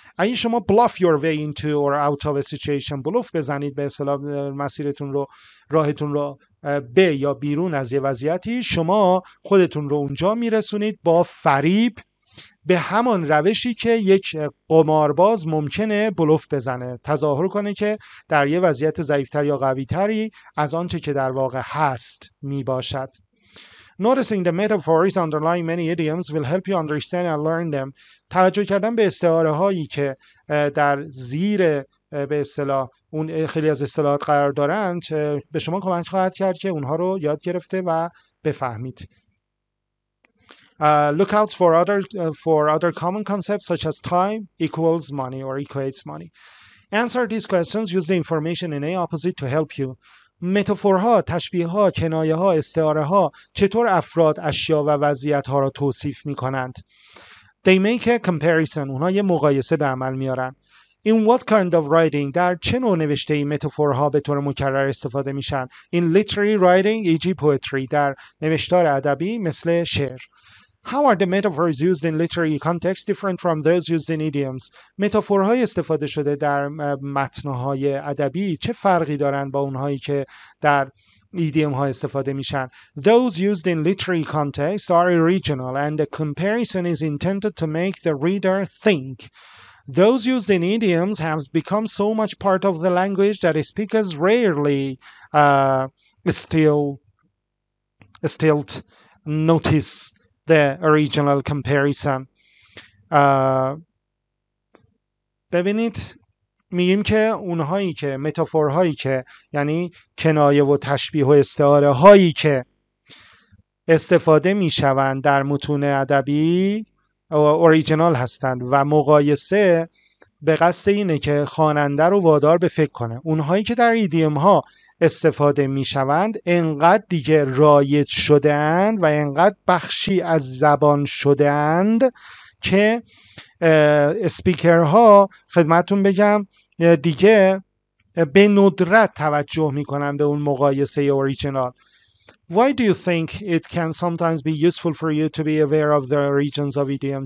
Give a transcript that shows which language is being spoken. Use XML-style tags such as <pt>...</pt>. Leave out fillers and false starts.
<fa>اگه شما</fa> <en>bluff your way into or out of a situation،</en> <fa>بلوف بزنید به اصطلاح مسیرتون رو، راهتون رو به یا بیرون از یه وضعیتی، شما خودتون رو اونجا میرسونید با فریب به همان روشی که یک قمارباز ممکنه بلوف بزنه، تظاهر کنه که در یه وضعیت ضعیفتر یا قویتری از آنچه که در واقع هست می باشد.</fa> <en>Noticing the metaphors underlying many idioms will help you understand and learn them.</en> <fa>توجه کردن به استعاره هایی که در زیر به اصطلاح اون خیلی از اصطلاحات قرار دارند به شما کمک خواهد کرد که اونها رو یاد گرفته و بفهمید.</fa> <en>Look out for other common concepts such as time equals money or equates money. Answer these questions. Use the information in A opposite to help you.</en> <fa>متافورها، تشبیهها، کنایه ها، استعاره ها چطور افراد، اشیا و وضعیت ها را توصیف می کنند؟</fa> <en>They make a comparison.</en> <fa>اونها یه مقایسه به عمل میارن.</fa> <en>In what kind of writing</en> <fa>در چه نوع نوشته ای متافورها به طور مکرر استفاده میشن؟</fa> <en>In literary writing e.g.</en> <fa>poetry در نوشتار ادبی مثل شعر.</fa> <en>How are the metaphors used in literary context different from those used in idioms?</en> <fa>متافورهای استفاده شده در متن‌های ادبی چه فرقی دارند با اونهایی که در ایدیوم‌ها استفاده میشن؟</fa> <en>Those used in literary context are original and the comparison is intended to make the reader think. Those used in idioms have become so much part of the language that speakers rarely still notice the original comparison.</en> <fa>ببینید میگیم که اونهایی که متافورهایی که یعنی کنایه و تشبیه و استعاره هایی که استفاده میشوند در متون ادبی اوریجینال هستند و مقایسه به قصد اینه که خواننده رو وادار به فکر کنه. اونهایی که در ایدیوم ها استفاده می شوند انقدر دیگه رایج شده اند و انقدر بخشی از زبان شده اند که اسپیکرها خدمتون بگم دیگه به ندرت توجه می کنند به اون مقایسه اوریجینال.</fa> <en>Why do you think it can sometimes be useful for you to be aware of the origins of idiom?</en>